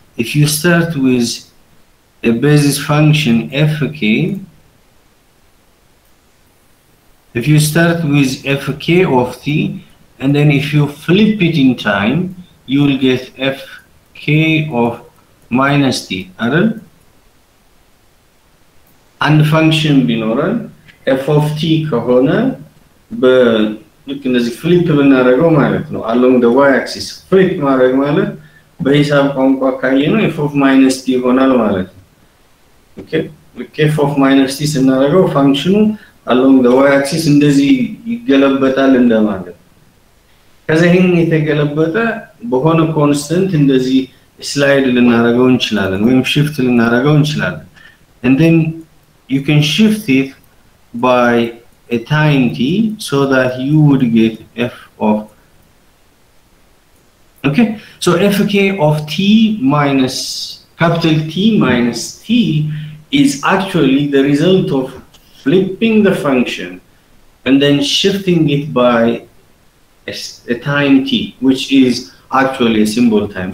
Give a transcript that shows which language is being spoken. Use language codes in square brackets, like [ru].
[en] If you start with a basis function fk, if you start with fk of T, and then if you flip it in time, you will get fk of minus T. [am] አንድ ፋንክሽን ቢኖረን f of t ከሆነ በልክ እንደዚህ ፍሊፕ ብናደርገው ማለት ነው [en] along the y axis [am] ፍሊፕ ማድረግ ማለት በሂሳብ ቋንቋ ካየነው f of minus t ይሆናል ማለት ነው ኦኬ ልክ f of minus t ስናደርገው ፋንክሽኑ along the y axis እንደዚህ ይገለበጣል እንደማለት ከዚህ የተገለበጠ በሆነ constant እንደዚህ ስላይድ ልናደርገው እንችላለን ወይም ሺፍት ልናደርገው እንችላለን [en] and then you can shift it by a time t so that you would get f of, okay, so fk of t minus capital T minus t is actually the result of flipping the function and then shifting it by a time t, which is actually a symbol time.